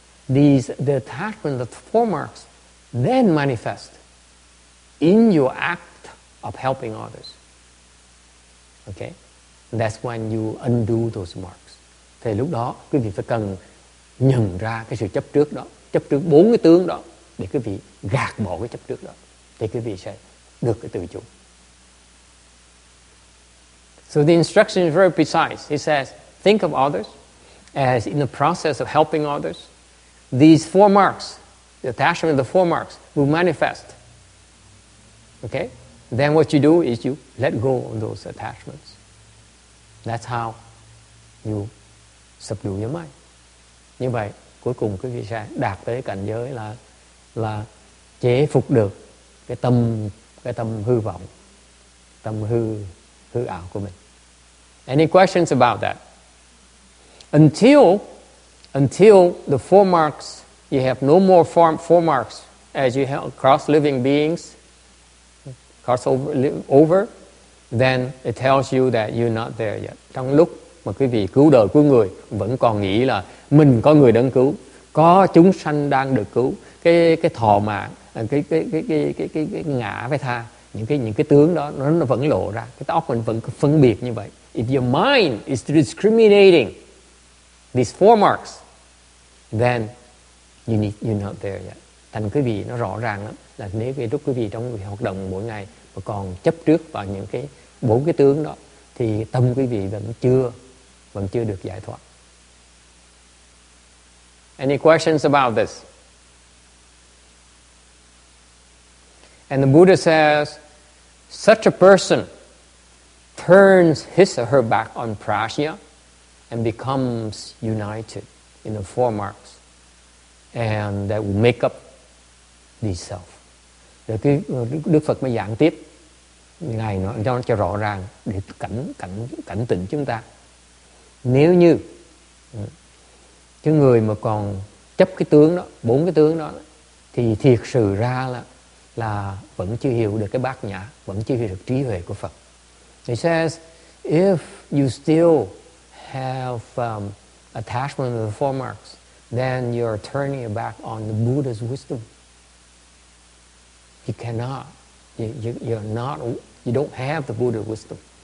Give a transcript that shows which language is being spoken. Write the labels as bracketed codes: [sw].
[en] These, the attachment, the four marks, then manifest in your act of helping others. Okay? And that's when you undo those marks. [vi] Thì lúc đó, quý vị phải cần nhận ra cái sự chấp trước đó, chấp trước bốn cái tướng đó, để quý vị gạt bỏ cái chấp trước đó. Thì quý vị sẽ được cái tự chủ. [en] So the instruction is very precise. It says, think of others as in the process of helping others. These four marks, the attachment of the four marks, will manifest. Okay? Then what you do is you let go of those attachments. That's how you subdue your mind. [vi] Như vậy, cuối cùng quý vị sẽ đạt tới cảnh giới là chế phục được cái tâm hư vọng, tâm hư ảo của mình. [en] Any questions about that? Until the four marks, you have no more four marks as you have cross living beings, cross over, then it tells you that you're not there yet. [vi] Trong lúc mà quý vị cứu đời của người vẫn còn nghĩ là mình có người đang cứu, có chúng sanh đang được cứu, cái thọ mạng, cái ngã với tha, những cái tướng đó nó vẫn lộ ra, cái óc mình vẫn phân biệt như vậy. [en] If your mind is discriminating these four marks, then you're not there yet. [vi] Thành quý vị nó rõ ràng lắm là nếu cái lúc quý vị trong hoạt động mỗi ngày mà còn chấp trước vào những cái bốn cái tướng đó thì tâm quý vị vẫn chưa được giải thoát. [en] Any questions about this? And the Buddha says, such a person turns his or her back on prajna and becomes united in the four marks, and that will make up the self. [vi] Đức Phật mới giảng tiếp, ngài nói cho rõ ràng để cảnh tỉnh chúng ta. Nếu như cái người mà còn chấp cái tướng đó, bốn cái tướng đó, thì thiệt sự ra là vẫn chưa hiểu được cái bát nhã, vẫn chưa hiểu được trí huệ của Phật. [en] He says, if you still have attachment to the four marks, then you're turning your back on the Buddha's wisdom. You cannot. You don't have the Buddha wisdom.